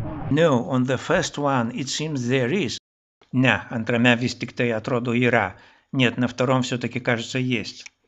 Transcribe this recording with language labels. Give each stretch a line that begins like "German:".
English: No, on the first one it seems there is.
Lithuanian: Ne, antrame vis tik tai atrodo yra.
Russian: Нет, на втором все-таки кажется есть.